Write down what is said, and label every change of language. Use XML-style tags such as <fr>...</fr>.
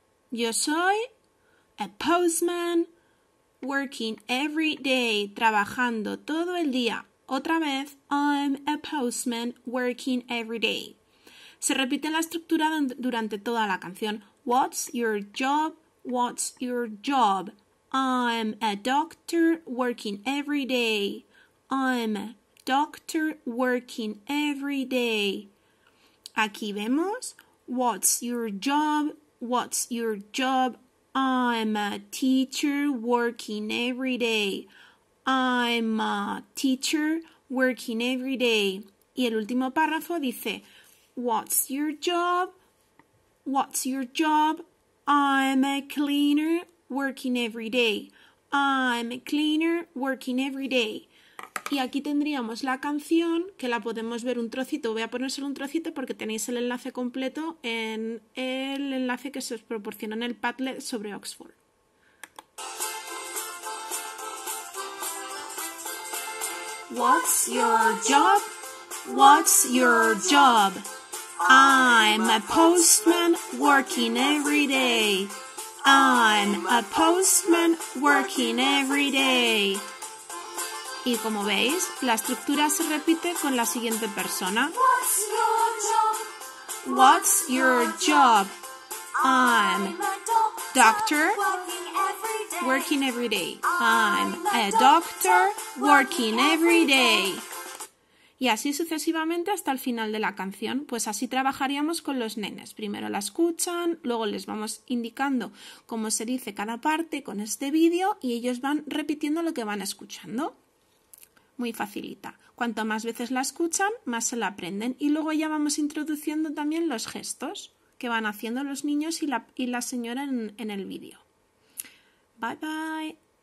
<es>Yo soy</es> <en>a postman working every day,</en> <es>trabajando todo el día. Otra vez,</es> <en>I'm a postman working every day.</en> <es>Se repite la estructura durante toda la canción.</es> <en>What's your job? What's your job? I'm a doctor working every day. I'm a doctor working every day.</en> <es>Aquí vemos,</es> <en>what's your job? What's your job? I'm a teacher working every day. I'm a teacher working every day.</en> <es>Y el último párrafo dice,</es> <en>what's your job? What's your job? I'm a cleaner working every day. I'm a cleaner working every day.</en> <es>Y aquí tendríamos la canción, que la podemos ver un trocito. Voy a poner solo un trocito porque tenéis el enlace completo en el enlace que se os proporciona en el Padlet sobre Oxford.</es> <en>What's your job? What's your job? I'm a postman working every day. I'm a postman working every day.</en> <es>Y como veis, la estructura se repite con la siguiente persona.</es> <en>What's your job? What's your job? I'm a doctor working every day. I'm a doctor working every day.</en> <es>Y así sucesivamente hasta el final de la canción. Pues así trabajaríamos con los nenes. Primero la escuchan, luego les vamos indicando cómo se dice cada parte con este vídeo y ellos van repitiendo lo que van escuchando. Muy facilita. Cuanto más veces la escuchan, más se la aprenden. Y luego ya vamos introduciendo también los gestos que van haciendo los niños y la señora en el vídeo.</es> <en>Bye bye.</en>